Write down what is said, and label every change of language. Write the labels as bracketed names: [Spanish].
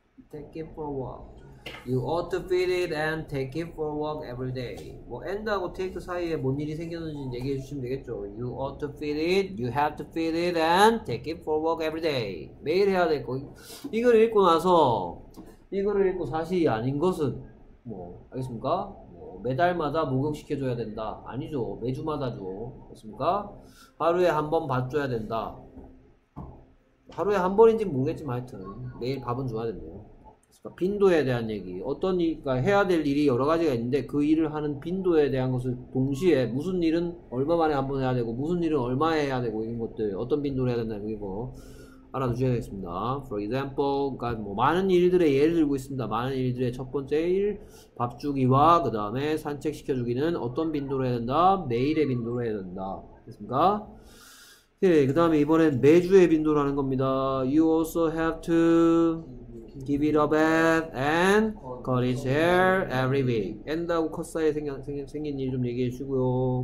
[English] Take it for a walk. You ought to feed it and take it for a walk every day. [Korean] 뭐 end하고 take 사이에 뭔 일이 생겼는지 얘기해 주시면 되겠죠. [English] You ought to feed it. You have to feed it and take it for a walk every day. [Korean] 매일 해야 될 거. 이걸 읽고 나서 이거를 읽고 사실이 아닌 것은 뭐 알겠습니까? 매달마다 목욕시켜줘야 된다. 아니죠. 매주마다죠. 그렇습니까? 하루에 한번 봐줘야 된다. 하루에 한 번인지는 모르겠지만 하여튼 매일 밥은 줘야 된대요. 그러니까 빈도에 대한 얘기. 어떤 일, 그러니까 해야 될 일이 여러 가지가 있는데 그 일을 하는 빈도에 대한 것을 동시에 무슨 일은 얼마 만에 한번 해야 되고 무슨 일은 얼마에 해야 되고 이런 것들 어떤 빈도로 해야 된다는 거 알아두셔야겠습니다. [English] For example, [Korean] 그러니까 뭐 많은 일들의 예를 들고 있습니다. 많은 일들의 첫 번째 일, 밥 주기와 그 다음에 산책 시켜주기는 어떤 빈도로 해야 된다? 매일의 빈도로 해야 된다. 됐습니까? 예, 그 다음에 이번엔 매주의 빈도라는 겁니다. [English] You also have to give it a bath and cut his hair every week. [Korean] And 하고 컷 사이에 생긴 일 좀 얘기해 주고요.